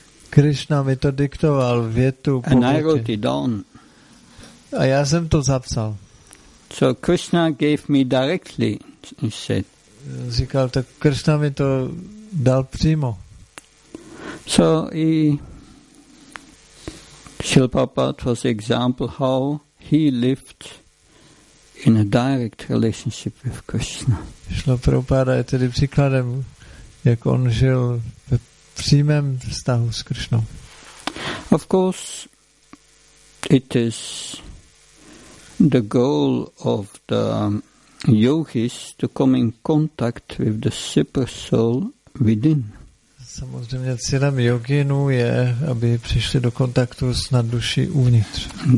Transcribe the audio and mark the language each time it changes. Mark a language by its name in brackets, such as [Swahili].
[Czech] Krishna mi to diktoval větu po větě. [English] And I wrote it down. [Czech] A já jsem to zapsal. [English] So Krishna gave me directly, he said. [Czech] Říkal, tak Krishna mi to dal přímo. [English] So he, Srila Prabhupada was the example how he lived in a direct relationship with Krishna. [Czech] Srila Prabhupada je tedy příkladem, jak on žil v přímém vztahu s Krishnou. [English] Of course, it is the goal of the yogis to come in contact with the super soul within. [Czech] Samozřejmě cílem yoginů je, aby přišli do kontaktu s nadduší uvnitř.